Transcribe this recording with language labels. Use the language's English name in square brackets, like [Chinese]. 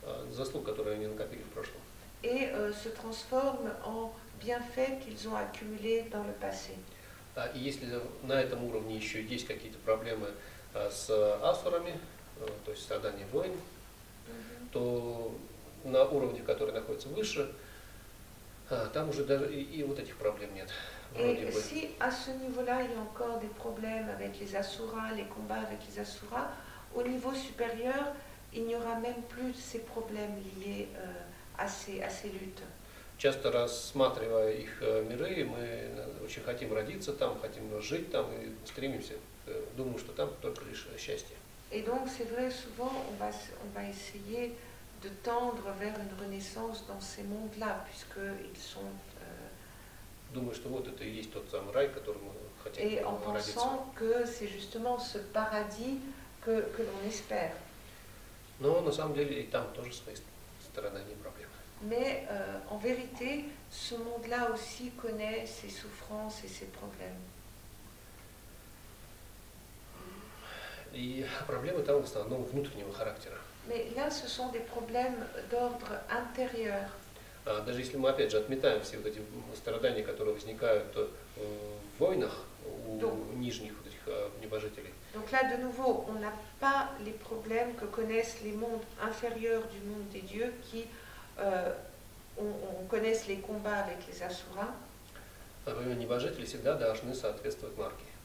[Russian] заслуг, которые они накопили в прошлом. [French] Et se transforment en bienfaits qu'ils ont accumulés dans le passé. [Russian] И если на этом уровне еще есть какие-то проблемы с асурами, то есть страдания войн, то на уровне, который находится выше, там уже даже и вот этих проблем нет. [French] Et si à ce niveau-là il y a encore des problèmes avec les asuras, les combats avec les asuras, au niveau supérieur, il n'y aura même plus ces problèmes liés à ces luttes. [Russian] Часто рассматривая их миры, мы очень хотим родиться там, хотим жить там и стремимся. Думаю, что там только лишь счастье. [French] Et donc c'est vrai, souvent on va essayer de tendre vers une renaissance dans ces mondes-là, puisque ils sont. [Russian] Думаю, что вот это и есть тот самый рай, который мы хотим. [French] Et en pensant que c'est justement ce paradis que l'on espère. [Russian] Но на самом деле и там тоже свои стороны, не проблемы. [French] Mais en vérité, ce monde-là aussi connaît ses souffrances et ses problèmes. [Russian] И проблемы там в основном внутреннего характера. [French] Mais là, ce sont des problèmes d'ordre intérieur. [Russian] Даже если мы опять же отметаем все вот эти страдания, которые возникают в войнах у нижних вот этих небожителей. [French] Donc là, de nouveau, on n'a pas les problèmes que connaissent les mondes inférieurs du monde des dieux qui on connaisse les combats avec les asuras. [Russian] Les небожители всегда должны соответствовать марке.